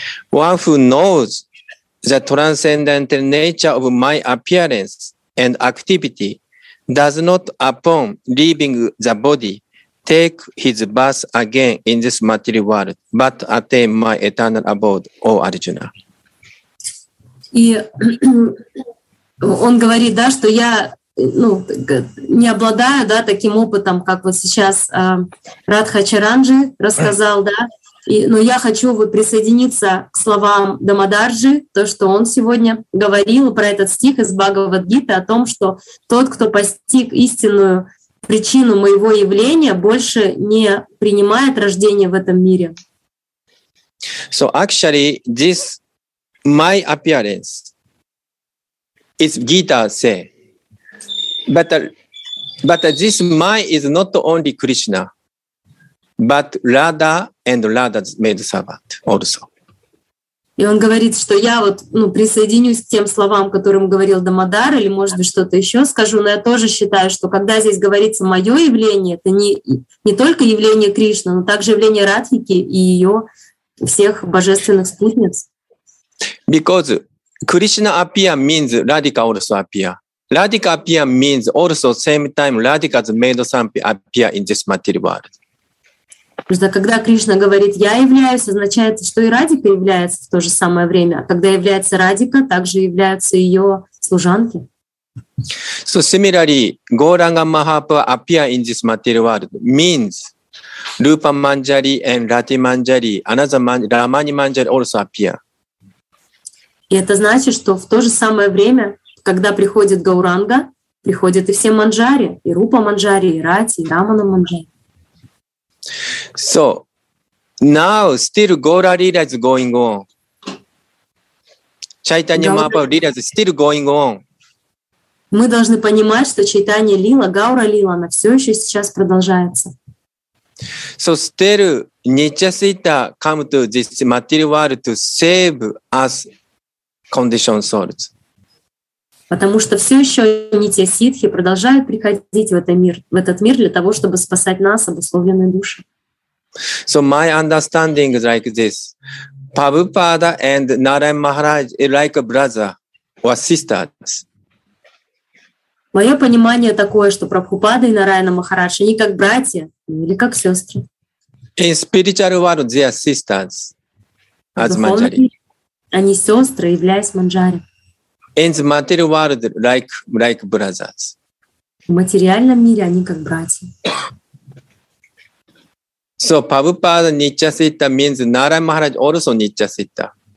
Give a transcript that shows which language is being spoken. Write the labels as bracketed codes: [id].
[en] One who knows the transcendental nature of my appearance and activity does not, upon leaving the body, take his birth again in this material world, but attain my eternal abode, O Arjuna. [ru] Он говорит, да, что я не обладаю, да, таким опытом, как вот сейчас Радха Чаранджи рассказал, да. Но я хочу присоединиться к словам Дамодарджи, то, что он сегодня говорил про этот стих из Бхагавад-гиты о том, что тот, кто постиг истинную причину моего явления, больше не принимает рождение в этом мире. [en] So actually, this my appearance is Gita say. But this my is not only Krishna, but Radha and Radha's maid servant also. [ru] И он говорит, что я вот присоединюсь к тем словам, которым говорил Дамодар, или может быть что-то еще скажу, но я тоже считаю, что когда здесь говорится мое явление, это не только явление Кришны, но также явление Радхики и ее всех божественных спутниц. [en] Because Krishna appear means Radhika also appear. Radhika appear means also same time Radhika's maid Sampi appear in this material world. [ru] Когда Кришна говорит «я являюсь», означает, что и Радика является в то же самое время. А когда является Радика, также являются ее служанки. [en] So similarly, Gauranga Mahaprabhu appear in this material world means Rupa Manjari and Rati Manjari, another Ramani Manjari also appear. [ru] И это значит, что в то же самое время, когда приходит Гауранга, приходят и все Манджари, и Рупа Манджари, и Рати, и Рамана Манджари. [en] So now still Gaura Lila is going on. Chaitanya Mahaprabhu Lila is still going on. [ru] Мы должны понимать, что Чайтанья Лила, Гаура Лила, она все еще сейчас продолжается. [en] So still Nityasita come to this material world to save us conditioned souls. [ru] Потому что все еще нитья-ситхи продолжают приходить в этот мир для того, чтобы спасать нас, обусловленные души. [en] So my understanding is like this. Prabhupada and Narayana Maharaj are like a brother or sisters. [ru] Мое понимание такое, что Прабхупада и Нараяна Махарадж, они как братья или как сестры. [en] In spiritual world, they are sisters as Manjari. [ru] Они сестры, являясь Манджари. [en] In the material world, like brothers. [ru] В материальном мире они как братья. [en] So, Prabhupada Nityasita means Narayana Maharaj also Nityasita.